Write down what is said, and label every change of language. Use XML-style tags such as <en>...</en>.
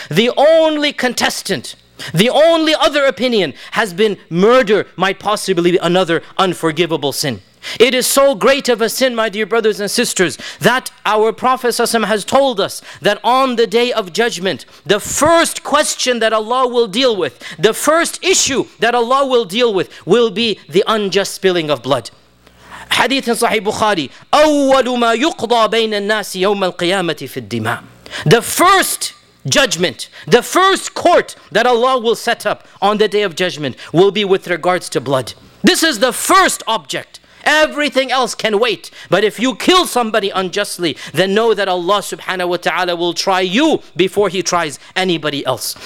<en>The only contestant, the only other opinion has been murder might possibly be another unforgivable sin. It is so great of a sin, my dear brothers and sisters, that our Prophet ﷺ has told us that on the day of judgment, the first question that Allah will deal with, the first issue that Allah will deal with, will be the unjust spilling of blood. Hadith in Sahih Bukhari,</en> <ar>أَوَّلُ مَا يُقْضَى بَيْنَ النَّاسِ يَوْمَ الْقِيَامَةِ فِي الدِّمَاءِ.</ar> <en>The first judgment, the first court that Allah will set up on the day of judgment will be with regards to blood. This is the first object. Everything else can wait. But if you kill somebody unjustly, then know that Allah subhanahu wa ta'ala will try you before He tries anybody else.</en>